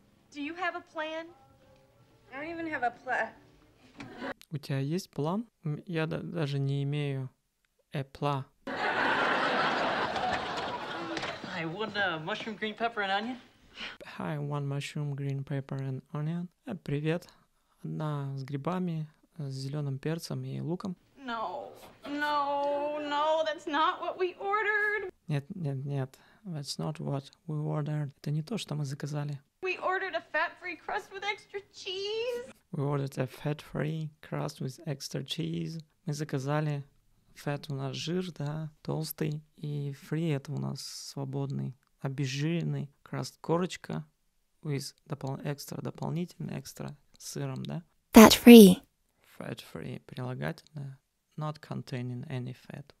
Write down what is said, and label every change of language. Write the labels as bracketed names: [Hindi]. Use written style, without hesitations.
[English] Do you have a plan? I don't even have a plan. [Russian] У тебя есть план? Я даже не имею a plan. [English] I want a mushroom, green pepper, and onion. I want mushroom, green pepper, and onion. Привет. [Russian] Одна с грибами, с зеленым перцем и луком. [English] No, no, no, that's not what we ordered. [Russian] Нет, нет, нет. [English] That's not what we ordered. [Russian] Это не то, что мы заказали. [English] We ordered a fat-free crust with extra cheese. We ordered a fat-free crust with extra cheese. [Russian] Мы заказали fat у нас жир, да, толстый, и free это у нас свободный, обезжиренный crust, корочка with дополнительный экстра сыром, да. [English] Fat-free. Fat-free прилагательное. Not containing any fat.